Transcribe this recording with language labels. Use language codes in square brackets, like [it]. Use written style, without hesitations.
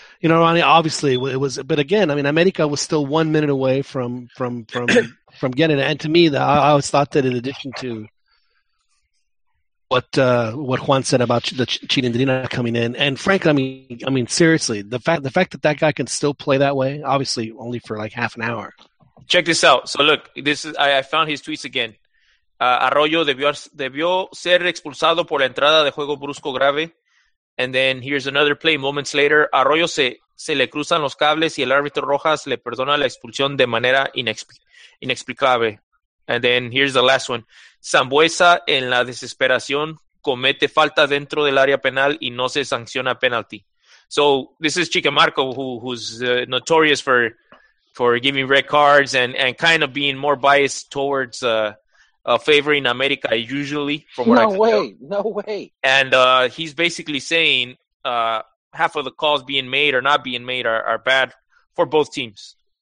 [en] You know, Ronnie, obviously, it was – but again, I mean, America was still 1 minute away from getting it. And to me, I always thought that in addition to what Juan said about the Chirindrina coming in, and frankly, I mean seriously, the fact that that guy can still play that way, obviously only for like half an hour. Check this out. So, look, this is I found his tweets again. [es] Arroyo debió ser expulsado por la entrada de juego brusco grave. [en] And then here's another play. Moments later, [es] Arroyo se le cruzan los cables y el árbitro Rojas le perdona la expulsión de manera inexplicable. [en] And then here's the last one. [es] Zambuesa, en la desesperación, comete falta dentro del área penal y no se sanciona penalty. [en] So this is Chica Marco, who's notorious for giving red cards and kind of being more biased towards favoring America usually, from what no I can way, tell. No way. And he's basically saying half of the calls being made or not being made are bad for both teams.